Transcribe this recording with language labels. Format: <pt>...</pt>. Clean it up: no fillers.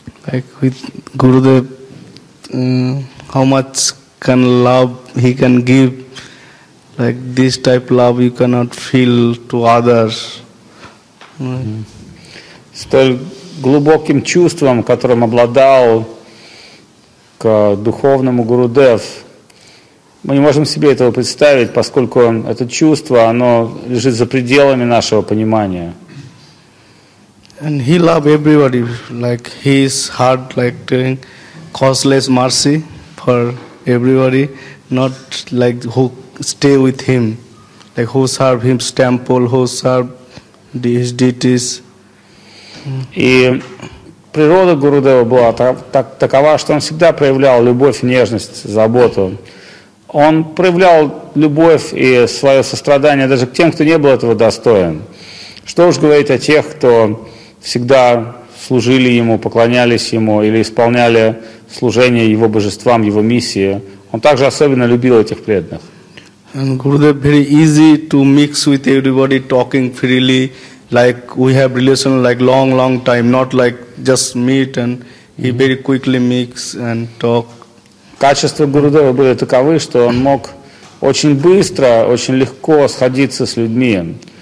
<en>Like with Gurudev, how much can love he can give? Like this type of love you cannot feel to others.</en> <ru>Столь глубоким чувством, которым обладал к духовному Гурудев. Мы не можем себе этого представить, поскольку это чувство, оно лежит за пределами нашего понимания.</ru> <en>And he loves everybody, like his heart, like doing causeless mercy for everybody, not like who stay with him, like who serve him temple, who serve his deities.</en> <ru>И природа Гурудева была такова, что он всегда проявлял любовь, нежность, заботу. Он проявлял любовь и свое сострадание даже к тем, кто не был этого достоин. Что уж говорить о тех, кто всегда служили ему, поклонялись ему или исполняли служение его божествам, его миссии. Он также особенно любил этих преданных.</ru> <en>And Gurudev very easy to mix with everybody, talking freely, like we have relation like long, long time, not like just meet and he very quickly mix and talk.</en> <ru>Качества Гурудева были таковы, что он мог очень быстро, очень легко сходиться с людьми.</ru>